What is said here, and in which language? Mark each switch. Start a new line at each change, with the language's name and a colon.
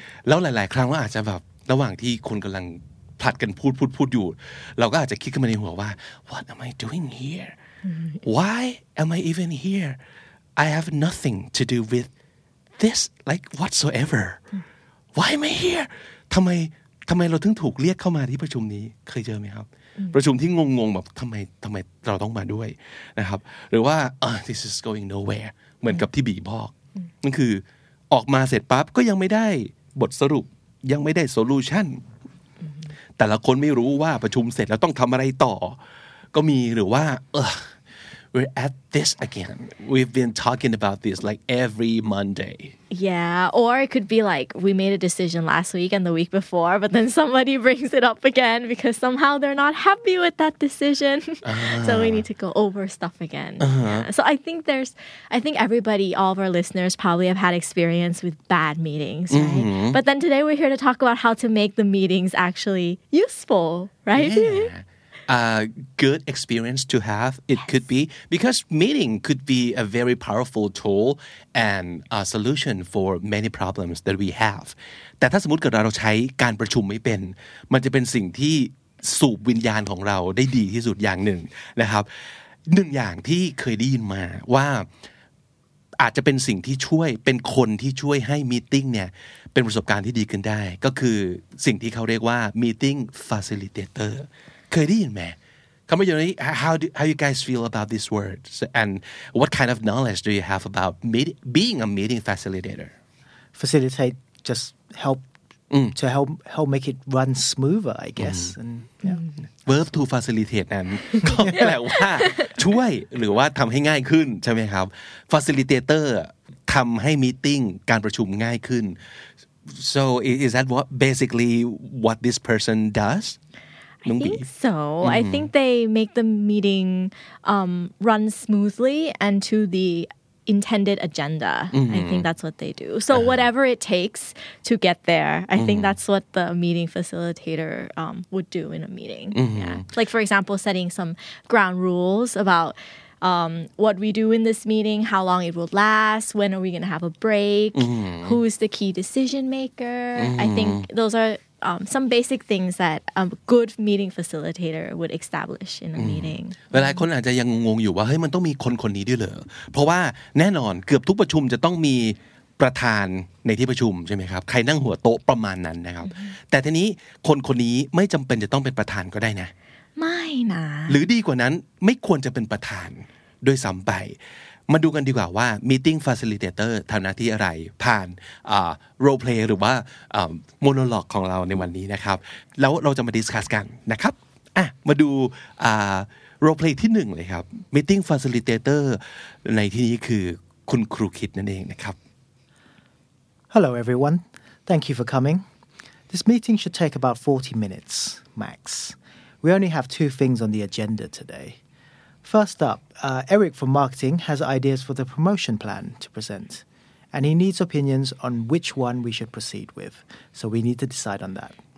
Thai: แล้วหลายๆครั้งว่าอาจจะแบบระหว่างที่คนกำลังผลัดกันพูดอยู่เราก็อาจจะคิดขึ้นมาในหัวว่า
English: What am I doing here? Why am I even here? I have nothing to do with this like whatsoever. Why am I here?
Thai: ทำไมเราถึงถูกเรียกเข้ามาที่ประชุมนี้เคยเจอไหมครับประชุมที่งงๆแบบทำไมเราต้องมาด้วยนะครับหรือว่า
English: This is going nowhere
Thai: เหมือนกับที่บีบอกนั่นคือออกมาเสร็จปั๊บก็ยังไม่ได้บทสรุปยังไม่ได้โซลูชันแต่ละคนไม่รู้ว่าประชุมเสร็จแล้วต้องทำอะไรต่อก็มีหรือว่า
English: we're at this again we've been talking about this like every Monday yeah or it could be like we made a decision last week and the week before but then somebody brings it up again because somehow they're not happy with that decision so we need to go over stuff again so I think everybody all of our listeners probably have had experience with bad meetings right mm-hmm. but then today we're here to talk about how to make the meetings actually useful right yeah. A good experience to have, it yes. could be. Because meeting could be a very powerful tool and a solution for many problems that we have.
Thai: แต่ถ้าสมมติเกิดเราใช้การประชุมไม่เป็นมันจะเป็นสิ่งที่สูบวิญญาณของเราได้ดีที่สุดอย่างหนึ่งนะครับหนึ่งอย่างที่เคยได้ยินมาว่าอาจจะเป็นสิ่งที่ช่วยเป็นคนที่ช่วยให้มีตติ้งเนี่ย ป็นประสบการณ์ที่ดีขึ้นได้ก็คือสิ่งที่เขาเรียกว่า meeting facilitator เคยได้ยินไหมคำว่าอย่างนี้
English: how you guys feel about these words and what kind of knowledge do you have about being a meeting facilitator facilitate just help to help make it run smoother I guess and yeah verb to facilitate
Thai: นั้นก็แปลว่าช่วยหรือว่าทำให้ง่ายขึ้นใช่ไหมครับ facilitator ทำให้ meeting การประชุมง่ายขึ้น
English: so is that what basically what this person does I think so. Mm-hmm. I think they make the meeting run smoothly and to the intended agenda. Mm-hmm. I think that's what they do. So whatever it takes to get there, I think that's what the meeting facilitator would do in a meeting. Mm-hmm. Yeah. Like, for example, setting some ground rules about what we do in this meeting, how long it will last, when are we going to have a break, who is the key decision maker. I think those areSome basic things that a good meeting facilitator would establish in a meeting.
Thai: หลายคนอาจจะยังงงอยู่ว่าเฮ้ยมันต้องมีคนคนนี้ด้วยเหรอเพราะว่าแน่นอนเกือบทุกประชุมจะต้องมีประธานในที่ประชุมใช่ไหมครับใครนั่งหัวโต๊ะประมาณนั้นนะครับแต่ทีนี้คนคนนี้ไม่จำเป็นจะต้องเป็นประธานก็ได้นะ ไม่นะ หรือดีกว่านั้นไม่ควรจะเป็นประธานด้วยซ้ำไปมาดูกันดีกว่าว่า meeting facilitator ทำหน้าที่อะไรผ่าน role play หรือว่า monologue ของเราในวันนี้นะครับแล้วเราจะมา discuss กันนะครับอ่ะมาดู role play ที่หนึ่งเลยครับ meeting facilitator ในที่นี้คือคุณครูคิดนั่นเองนะครับ
English: Hello everyone thank you for coming this meeting should take about 40 minutes max we only have two things on the agenda todayFirst up, Eric from marketing has ideas for the promotion plan to present, and he needs opinions on which one we should proceed with, so we need to decide on that.